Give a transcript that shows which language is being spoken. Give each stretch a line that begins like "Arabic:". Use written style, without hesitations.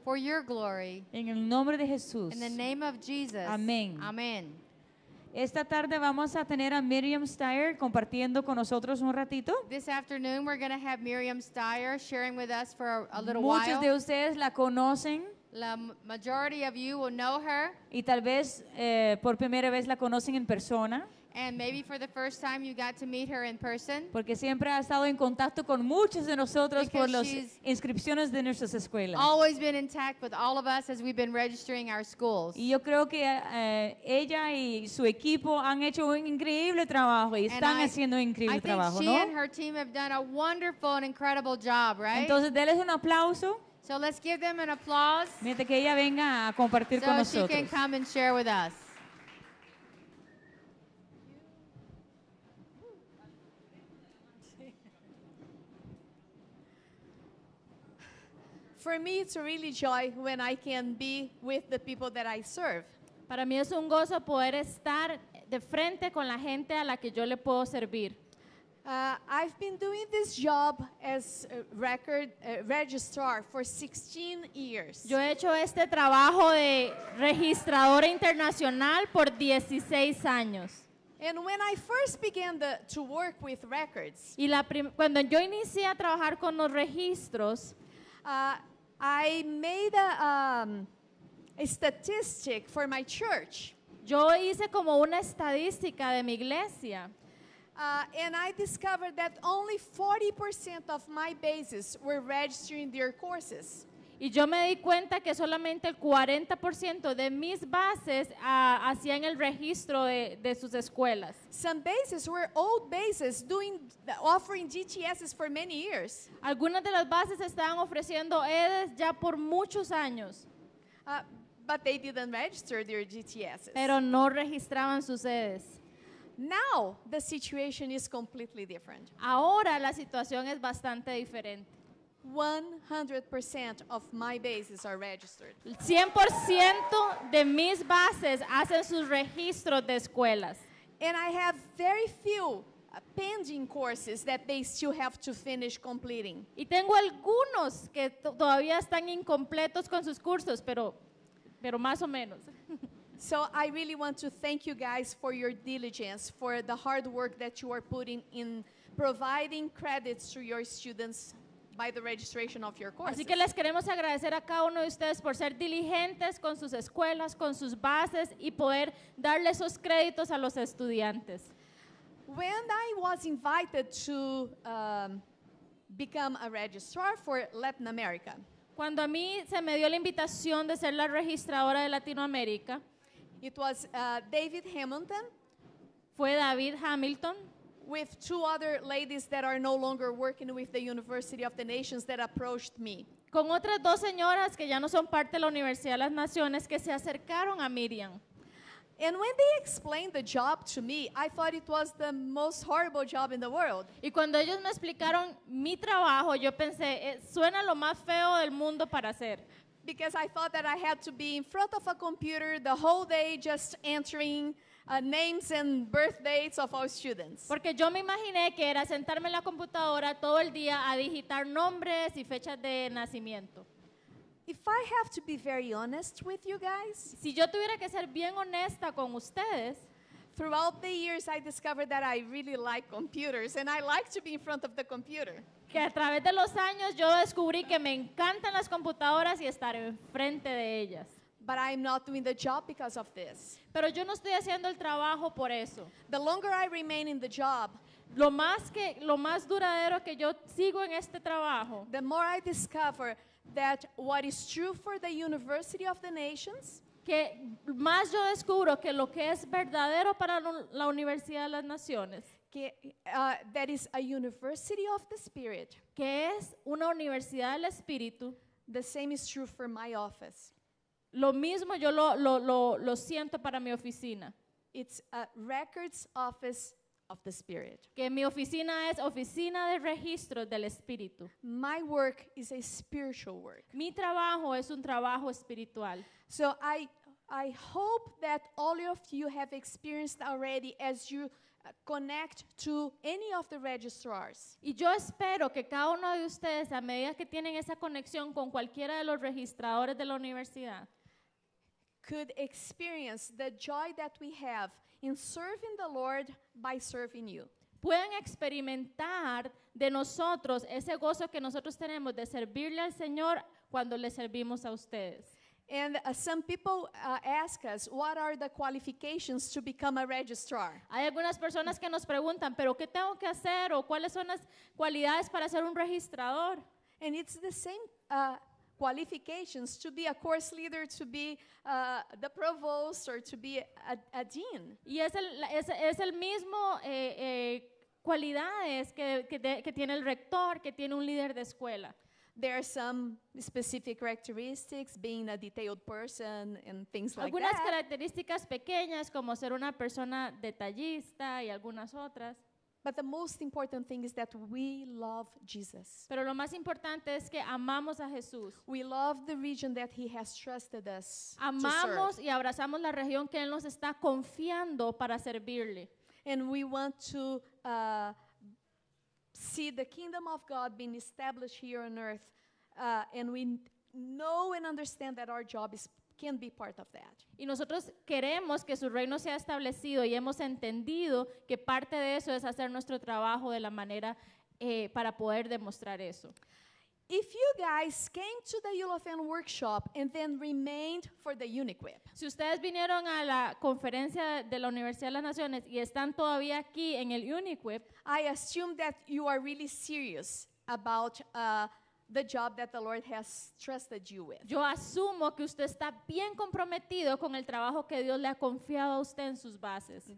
English: For your glory.
Spanish: En el nombre de Jesús.
English: In the name of Jesus.
Spanish: Amén. Amén. Esta tarde vamos a tener a Miriam Steyer compartiendo con nosotros un ratito.
English: This afternoon we're going to have Miriam Steyer sharing with us for a little
Spanish: Muchos
English: while.
Spanish: Muchos de ustedes la conocen.
English: La majority of you will know her.
Spanish: Y tal vez por primera vez la conocen en persona.
English: And maybe for the first time you got to meet her in person.
Spanish: Porque siempre ha estado en contacto con muchos de nosotros por las inscripciones de nuestras escuelas.
English: Always been in touch with all of us as we've been registering our schools.
Spanish: Y yo creo que ella y su equipo han hecho un increíble trabajo y están haciendo un increíble trabajo, ¿no?
English: She and her team have done a wonderful and incredible job, right?
Spanish: Entonces, denles un aplauso.
English: So let's give them an applause.
Spanish: Mientras que ella venga a compartir
English: so
Spanish: con nosotros.
English: She can come and share with us. For me, it's a really joy when I can be with the people that I serve.
Spanish: Para mí es un gozo poder estar de frente con la gente a la que yo le puedo servir.
English: I've been doing this job as registrar for 16 years.
Spanish: Yo he hecho este trabajo de registradora internacional por 16 años.
English: And when I first began to work with records,
Spanish: y cuando yo inicié a trabajar con los registros,
English: I made a statistic for my church.
Spanish: Yo hice como una estadística de mi iglesia.
English: And I discovered that only 40% of my bases were registering their courses.
Spanish: Y yo me di cuenta que solamente el 40% de mis bases hacían el registro de sus escuelas.
English: Some bases were old bases doing offering GTSs for many years.
Spanish: Algunas de las bases estaban ofreciendo EDES ya por muchos años.
English: But they didn't register their GTSs.
Spanish: Pero no registraban sus EDES.
English: Now the situation is completely different.
Spanish: Ahora la situación es bastante diferente.
English: 100% of my bases are registered.
Spanish: 100% de mis bases hacen sus registros de escuelas.
English: And I have very few pending courses that they still have to finish completing.
Spanish: Y tengo algunos que todavía están incompletos con sus cursos, pero más o menos.
English: So I really want to thank you guys for your diligence, for the hard work that you are putting in providing credits to your students by the registration of your courses.
Spanish: Así que les queremos agradecer a cada uno de ustedes por ser diligentes con sus escuelas, con sus bases y poder darle esos créditos a los estudiantes.
English: When I was invited to become a registrar for Latin America,
Spanish: cuando a mí se me dio la invitación de ser la registradora de Latinoamérica,
English: it was David Hamilton.
Spanish: Fue David Hamilton.
English: With two other ladies that are no longer working with the University of the Nations that approached me.
Spanish: Con otras dos señoras que ya no son parte de la Universidad de las Naciones que se acercaron a Miriam.
English: And when they explained the job to me, I thought it was the most horrible job in the world.
Spanish: Y cuando ellos me explicaron mi trabajo, yo pensé, suena lo más feo del mundo para hacer.
English: Because I thought that I had to be in front of a computer the whole day just entering names and birth dates of our students.
Spanish: Porque yo me imaginé que era sentarme en la computadora todo el día a digitar nombres y fechas de nacimiento.
English: If I have to be very honest with you guys,
Spanish: si yo tuviera que ser bien honesta con ustedes,
English: throughout the years I discovered that I really like computers and I like to be in front of the computer.
Spanish: Que a través de los años yo descubrí que me encantan las computadoras y estar enfrente de ellas.
English: But I'm not doing the job because of this.
Spanish: Pero yo no estoy haciendo el trabajo por eso.
English: The longer I remain in the job,
Spanish: lo más duradero que yo sigo en este trabajo,
English: the more I discover that what is true for the University of the Nations,
Spanish: que más yo descubro que lo que es verdadero para la Universidad de las Naciones,
English: That is a university of the spirit.
Spanish: Que es una universidad del espíritu.
English: The same is true for my office.
Spanish: Lo mismo yo lo siento para mi oficina.
English: It's a records office of the Spirit.
Spanish: Que mi oficina es oficina de registros del Espíritu.
English: My work is a spiritual work.
Spanish: Mi trabajo es un trabajo espiritual.
English: So I hope that all of you have experienced already as you connect to any of the registrars.
Spanish: Y yo espero que cada uno de ustedes, a medida que tienen esa conexión con cualquiera de los registradores de la universidad,
English: could experience the joy that we have in serving the Lord by serving you.
Spanish: Pueden experimentar de nosotros ese gozo que nosotros tenemos de servirle al Señor cuando le servimos a ustedes.
English: And some people ask us, what are the qualifications to become a registrar?
Spanish: Hay algunas personas que nos preguntan, ¿pero qué tengo que hacer? ¿O cuáles son las cualidades para ser un registrador?
English: And it's the same qualifications to be a course leader, to be the provost, or to be a dean.
Spanish: Y es el mismo cualidades que tiene el rector, que tiene un líder de escuela.
English: There are some specific characteristics, being a detailed person and things like that.
Spanish: Algunas características pequeñas como ser una persona detallista y algunas otras.
English: But the most important thing is that we love Jesus.
Spanish: Pero lo más importante es que amamos a Jesús.
English: We love the region that he has trusted us to serve.
Spanish: Amamos y abrazamos la región que él nos está confiando para servirle.
English: And we want to see the kingdom of God being established here on earth, and we know and understand that our job can be part of that.
Spanish: Y nosotros queremos que su reino sea establecido y hemos entendido que parte de eso es hacer nuestro trabajo de la manera para poder demostrar eso.
English: If you guys came to the UofN workshop and then remained for the Uniquip.
Spanish: Si ustedes vinieron a la conferencia de la Universidad de las Naciones y están todavía aquí en el Uniquip,
English: I assume that you are really serious about the job that the Lord has trusted you with.
Spanish: Yo asumo que usted está bien comprometido con el trabajo que Dios le ha confiado a usted en sus bases.